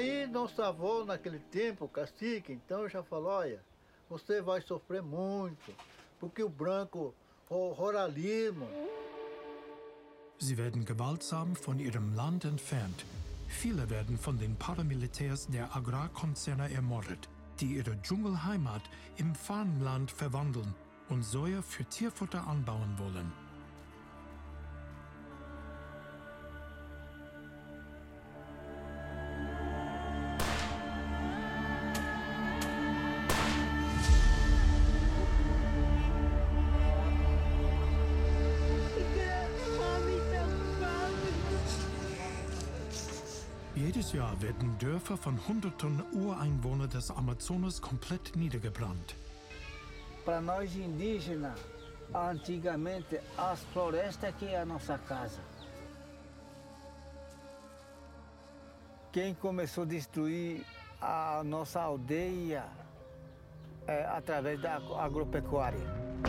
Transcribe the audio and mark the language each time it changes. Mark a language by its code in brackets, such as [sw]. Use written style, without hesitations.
[pt] Nosso avô, naquele tempo, cacique, então já falou, olha, você vai sofrer muito, porque o branco ruralismo. [de] Sie werden gewaltsam von ihrem Land entfernt. Viele werden von den Paramilitärs der Agrarkonzerne ermordet, die ihre Dschungelheimat im Farmland verwandeln und Soja für Tierfutter anbauen wollen. Jedes Jahr werden Dörfer von hunderten Ureinwohnern des Amazonas komplett niedergebrannt. [pt] Para nós indígenas, antigamente as florestas que é a nossa casa. Quem começou a destruir a nossa aldeia é através da agropecuária.